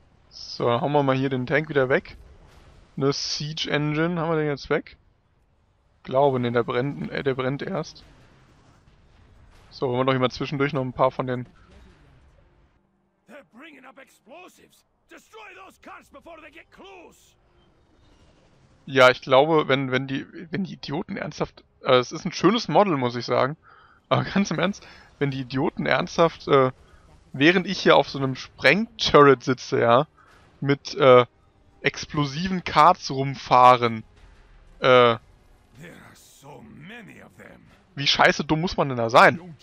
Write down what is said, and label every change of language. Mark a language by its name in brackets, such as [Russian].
[German] So, dann hauen wir mal hier den Tank wieder weg. Eine Siege Engine, haben wir den jetzt weg? Glaube, ne, der brennt erst. So, wollen wir doch hier mal zwischendurch noch ein paar von den... [English] They're bringing up explosives. Destroy those carts before they get close. [German] Ja, ich glaube, wenn die Idioten ernsthaft... es ist ein schönes Model, muss ich sagen. Aber ganz im Ernst, wenn die Idioten ernsthaft, während ich hier auf so einem Sprengturret sitze, ja, mit explosiven Karts rumfahren, wie scheiße dumm muss man denn da sein?